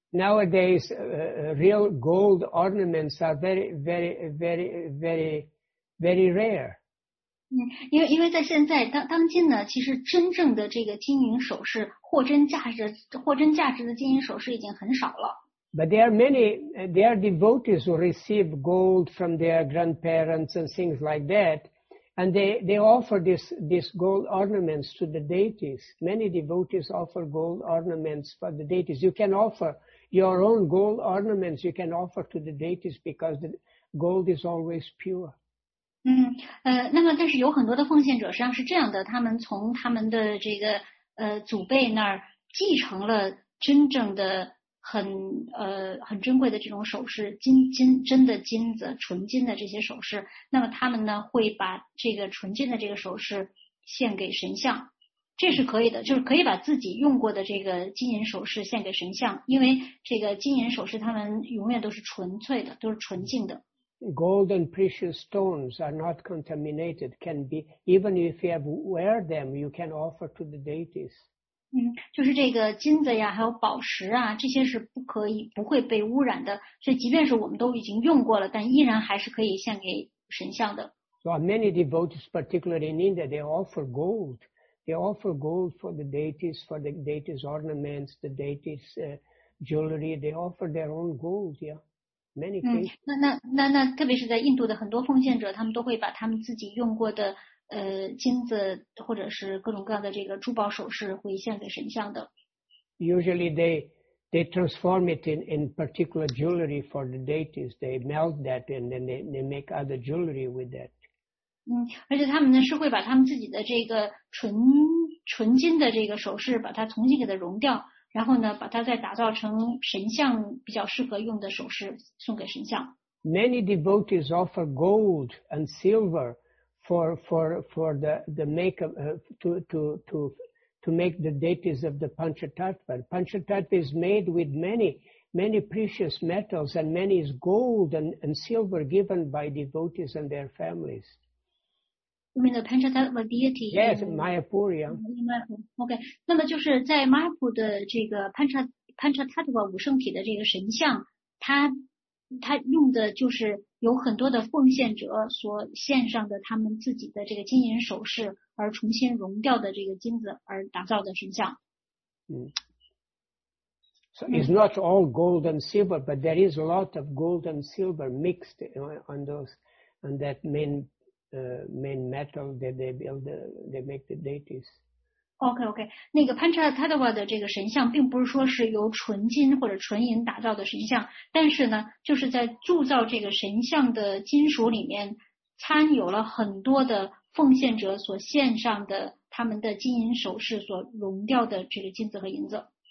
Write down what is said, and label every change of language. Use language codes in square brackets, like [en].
[en] Nowadays, real gold ornaments are very, very, very, very. Very rare. [zh] 因为在现在当今呢，其实真正的这个金银首饰，货真价值的金银首饰已经很少了。 [en] But there are many, there are devotees who receive gold from their grandparents and things like that, and they offer this gold ornaments to the deities. Many devotees offer gold ornaments for the deities. You can offer your own gold ornaments. You can offer to the deities because the gold is always pure. [zh] 那么但是有很多的奉献者实际上是这样的，他们从他们的这个祖辈那儿继承了真正的很珍贵的这种首饰，真的金子，纯金的这些首饰，那么他们呢会把这个纯金的这个首饰献给神像，这是可以的，就是可以把自己用过的这个金银首饰献给神像，因为这个金银首饰他们永远都是纯粹的，都是纯净的。 [en] Gold and precious stones are not contaminated, can be, even if you have wear them, you can offer to the deities. [zh] 就是这个金子呀，还有宝石啊，这些是不可以，不会被污染的，所以即便是我们都已经用过了，但依然还是可以献给神像的。 [en] So many devotees, particularly in India, they offer gold. They offer gold for the deities, for the deities' ornaments, the deities' jewelry. They offer their own gold, yeah. [zh] 那特别是在印度的很多奉献者，他们都会把他们自己用过的金子或者是各种各样的这个珠宝首饰会献给神像的。 [en] Usually they transform it in particular jewelry for the deities. They melt that and then they make other jewelry with that. [zh] 而且他们呢是会把他们自己的这个纯金的这个首饰把它重新给它熔掉。然后呢，把它再打造成神像比较适合用的首饰，送给神像。 [en] Many devotees offer gold and silver for the make to make the deities of the Panchatattva. Panchatattva is made with many precious metals, and many is gold and silver given by devotees and their families. You mean the Panchatattva deity? Yes, Mayapur, yeah. [zh] Okay. 那么就是在 Mayapur 的这个 Panchatattva 五圣体的这个神像，他用的就是有很多的奉献者所献上的他们自己的这个金银首饰而重新熔掉的这个金子而打造的神像。 [en] So it's not all gold and silver, but there is a lot of gold and silver mixed on that main metal that they build, they make the deities. Okay. [zh] 那个 Panchatattva 的这个神像并不是说是由纯金或者纯银打造的神像，但是呢，就是在铸造这个神像的金属里面，掺有了很多的奉献者所献上的他们的金银首饰所熔掉的这个金子和银子。